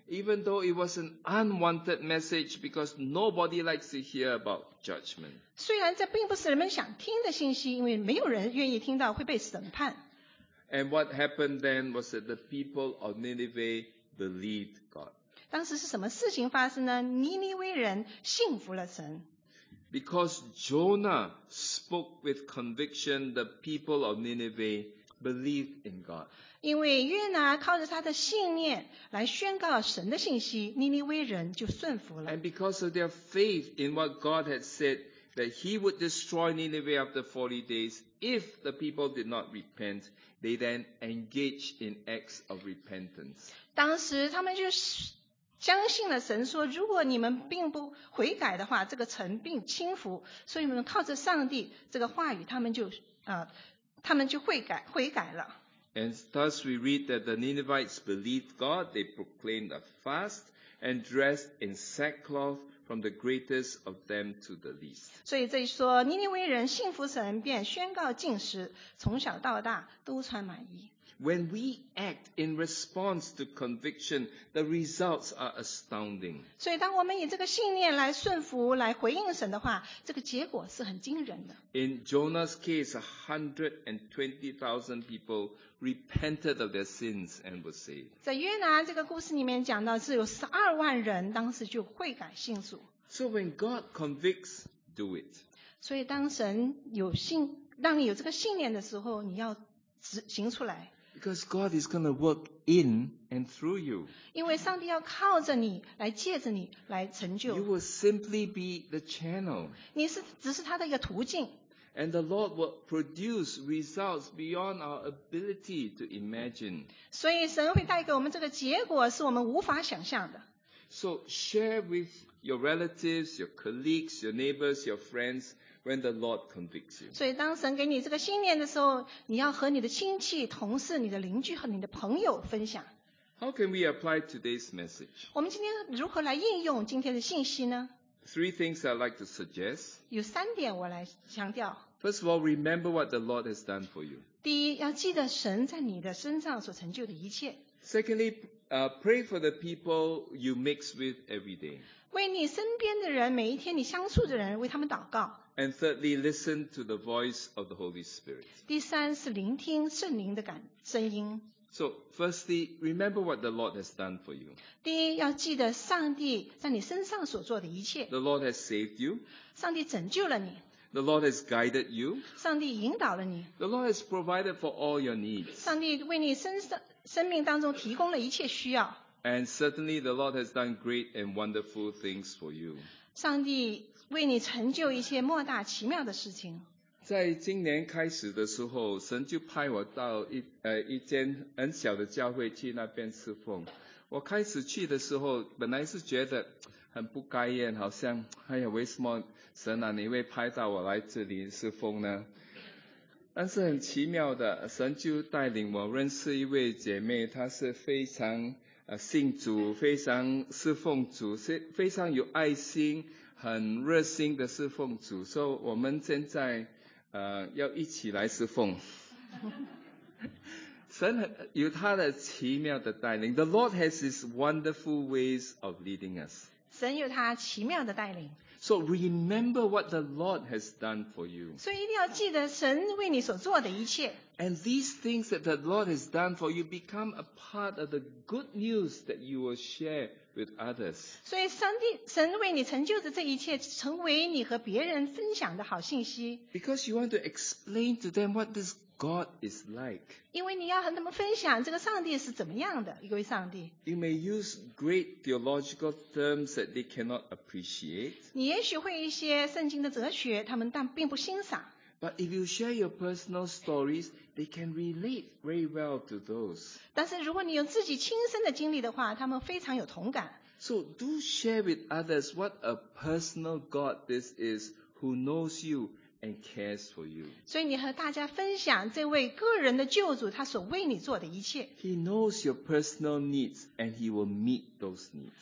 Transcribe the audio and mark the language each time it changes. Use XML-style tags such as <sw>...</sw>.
<en>even though it was an unwanted message because nobody likes to hear about judgment.</en> <zh>虽然这并不是人们想听的信息, 因为没有人愿意听到会被审判。</zh> <en>And what happened then was that the people of Nineveh believed God.</en> <zh>当时是什么事情发生呢? 尼尼微人信服了神。</zh> <en>Because Jonah spoke with conviction, the people of Nineveh believed in God.</en> <zh>因为约拿靠着他的信念来宣告神的信息，尼尼微人就顺服了。</zh> <en>And because of their faith in what God had said, that he would destroy Nineveh after 40 days, if the people did not repent, they then engaged in acts of repentance.</en> <zh>当时他们就相信了神说如果你们并不悔改的话这个城并倾覆所以我们靠着上帝这个话语他们就悔改了</zh> <en>And thus we read that the Ninevites believed God they proclaimed a fast and dressed in sackcloth from the greatest of them to the least</en> <zh>所以这里说尼尼微人信服神便宣告禁食从小到大都穿满衣</zh> <en>When we act in response to conviction, the results are astounding.</en> <zh>所以当我们以这个信念来顺服，来回应神的话，这个结果是很惊人的。</zh> <en>In Jonah's case, 120,000 people repented of their sins and were saved.</en> <zh>在约拿这个故事里面讲到，是有12万人当时就悔改信主。</zh> <en>So when God convicts, do it.</en> <zh>所以当神有信让你有这个信念的时候，你要执行出来。</zh> <en>Because God is going to work in and through you.</en> <zh>因为上帝要靠着你，来借着你，来成就。</zh> <en>You will simply be the channel.</en> <zh>你是只是他的一个途径。</zh> <en>And the Lord will produce results beyond our ability to imagine.</en> <zh>所以神会带给我们这个结果是我们无法想象的。</zh> <en>So share with your relatives, your colleagues, your neighbors, your friends when the Lord convicts you.</en> <zh>所以当神给你这个信念的时候，你要和你的亲戚、同事、你的邻居和你的朋友分享。</zh> <en>How can we apply today's message?</en> <zh>我们今天如何来应用今天的信息呢？</zh> <en>Three things I'd like to suggest.</en> <zh>有三点我来强调。</zh> <en>First of all, remember what the Lord has done for you.</en> <zh>第一，要记得神在你的身上所成就的一切。</zh> <en>Secondly, pray for the people you mix with every day.</en> <zh>为你身边的人，每一天你相处的人，为他们祷告。</zh> <en>And thirdly, listen to the voice of the Holy Spirit.</en> <zh>第三是聆听圣灵的声音。</zh> <en>So, firstly, remember what the Lord has done for you.</en> <zh>第一，要记得上帝在你身上所做的一切。</zh> <en>The Lord has saved you.</en> <zh>上帝拯救了你。</zh> <en>The Lord has guided you.</en> <zh>上帝引导了你。</zh> <en>The Lord has provided for all your needs.</en> <zh>上帝为你生命当中提供了一切需要。</zh> <en>And certainly, the Lord has done great and wonderful things for you.</en> <zh>上帝为你成就一些莫大奇妙的事情。在今年开始的时候，神就派我到 一间很小的教会去那边侍奉。我开始去的时候，本来是觉得很不甘愿，好像哎呀，为什么神啊，你会派到我来这里侍奉呢？但是很奇妙的，神就带领我认识一位姐妹，她是非常信主，非常侍奉主，非常有爱心，很热心的侍奉主。所以我们现在要一起来侍奉。神有他的奇妙的带领。</zh> <en>The Lord has his wonderful ways of leading us.</en> <zh>神有他奇妙的带领。</zh> <en>So remember what the Lord has done for you.</en> <zh>所以一定要记得神为你所做的一切。</zh> <en>And these things that the Lord has done for you become a part of the good news that you will share with others.</en> <zh>所以神为你成就的这一切成为你和别人分享的好信息。</zh> <en>Because you want to explain to them what this God is like.</en> <zh>因为你要和他们分享这个上帝是怎么样的一位上帝。</zh> <en>You may use great theological terms that they cannot appreciate.</en> <zh>你也许会一些圣经的哲学，他们但并不欣赏。</zh> <en>But if you share your personal stories, they can relate very well to those.</en> <zh>但是如果你有自己亲身的经历的话，他们非常有同感。</zh> <en>So do share with others what a personal God this is who knows you and cares for you.</en> <zh>所以你和大家分享这位个人的救主他所为你做的一切。</zh> <en>He knows your personal needs and he will meet those needs.</en>